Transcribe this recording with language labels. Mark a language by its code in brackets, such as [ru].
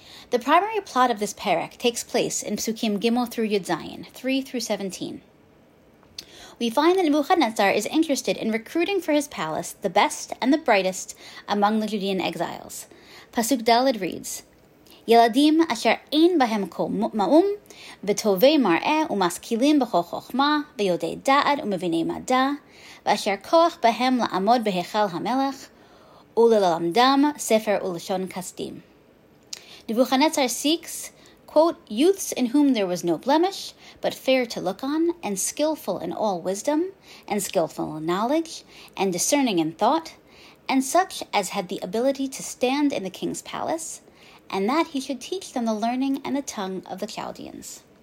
[en] The primary plot of this perek takes place in Psukim Gimel through Yudzayin, 3 through 17. We find that Nebuchadnezzar is interested in recruiting for his palace the best and the brightest among the Judean exiles. Pasuk Dalet reads, [he] ילדים אשר אין בהם כל מאום, וטובי מראה ומשכילים בכל חוכמה, ויודעי דעת ומביני מדע, ואשר כוח בהם לעמוד בהיכל המלך, וללמדם ספר ולשון כסדים. [en] נבוכנצר סיקס, quote, youths in whom there was no blemish, but fair to look on, and skillful in all wisdom, and skillful in knowledge, and discerning in thought, and such as had the ability to stand in the king's palace, and that he should teach them the learning and the tongue of the Chaldeans.